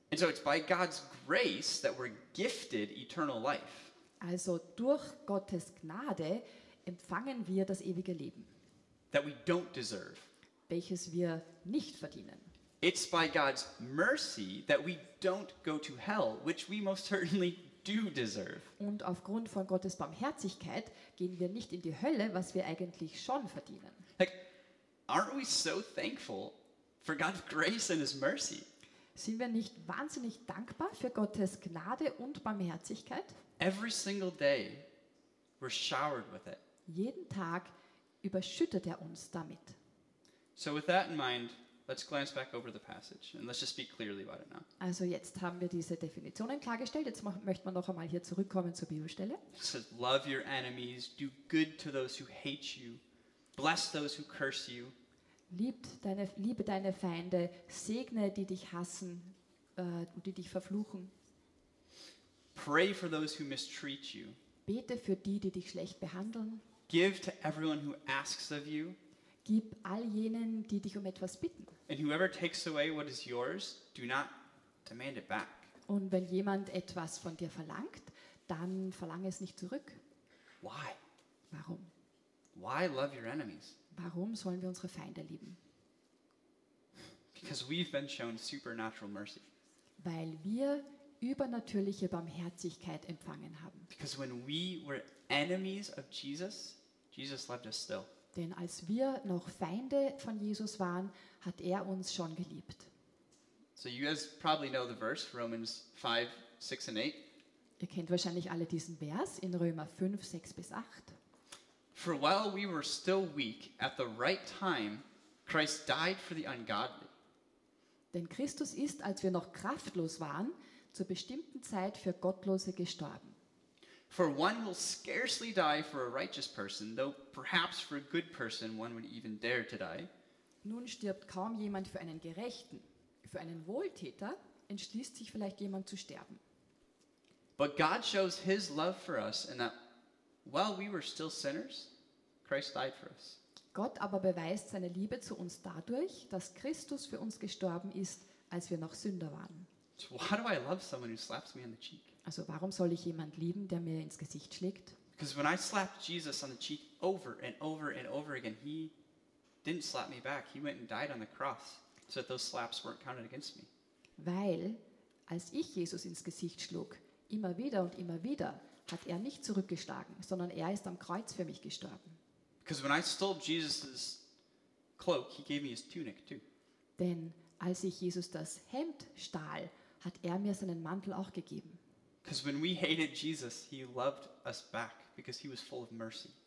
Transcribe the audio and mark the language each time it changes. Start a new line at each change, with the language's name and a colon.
English: And so it's by God's grace that we're gifted eternal life.
German: Also durch Gottes Gnade empfangen wir das ewige Leben.
English: That we don't deserve.
German: Welches wir nicht verdienen.
English: It's by God's mercy that we don't go to hell, which we most certainly do deserve.
German: Und aufgrund von Gottes Barmherzigkeit gehen wir nicht in die Hölle, was wir eigentlich schon verdienen.
English: Like, aren't we so thankful for God's grace and his mercy?
German: Sind wir nicht wahnsinnig dankbar für Gottes Gnade und Barmherzigkeit?
English: Every single day we're showered with it.
German: Jeden Tag überschüttet uns damit.
English: So with that in mind, let's glance back over the passage and let's just speak clearly about it now.
German: Also jetzt haben wir diese Definitionen klargestellt. Jetzt möchte man noch einmal hier zurückkommen zur Bibelstelle.
English: It says, love your enemies, do good to those who hate you, bless those who curse you.
German: Liebe deine Feinde, segne die dich hassen und die dich verfluchen.
English: Pray for those who mistreat you.
German: Bete für die, die dich schlecht behandeln.
English: Give to everyone who asks of you.
German: Gib all jenen, die dich etwas bitten.
English: And whoever takes away what is yours, do not demand it back.
German: Und wenn jemand etwas von dir verlangt, dann verlange es nicht zurück.
English: Why?
German: Warum?
English: Why love your enemies?
German: Warum sollen wir unsere Feinde lieben?
English: Because we've been shown supernatural mercy.
German: Weil wir übernatürliche Barmherzigkeit empfangen haben.
English: Because when we were enemies of Jesus, Jesus loved us still.
German: Denn als wir noch Feinde von Jesus waren, hat uns schon geliebt.
English: So you guys probably know the verse, Romans 5, 6 and 8.
German: Ihr kennt wahrscheinlich alle diesen Vers in Römer 5, 6 bis 8.
English: For while we were still weak, at the right time, Christ died for the ungodly.
German: Denn Christus ist, als wir noch kraftlos waren, zur bestimmten Zeit für Gottlose gestorben.
English: For one will scarcely die for a righteous person, though perhaps for a good person one would even dare to die.
German: Nun stirbt kaum jemand für einen Gerechten. Für einen Wohltäter entschließt sich vielleicht jemand zu sterben.
English: But God shows his love for us in that while we were still sinners, Christ died for us.
German: Gott aber beweist seine Liebe zu uns dadurch, dass Christus für uns gestorben ist, als wir noch Sünder waren.
English: So why do I love someone who slaps me on the cheek?
German: Also warum soll ich jemand lieben, der mir ins Gesicht schlägt?
English: Because when I slapped Jesus on the cheek over and over and over again, he didn't slap me back. He went and died on the cross, so that those slaps weren't counted against me.
German: Weil als ich Jesus ins Gesicht schlug, immer wieder und immer wieder, hat nicht zurückgeschlagen, sondern ist am Kreuz für mich gestorben.
English: Because when I stole Jesus' cloak, he gave me his tunic too.
German: Denn als ich Jesus das Hemd stahl, hat mir seinen Mantel auch gegeben.
English: Because when we hated Jesus, he loved us back because he was full of mercy.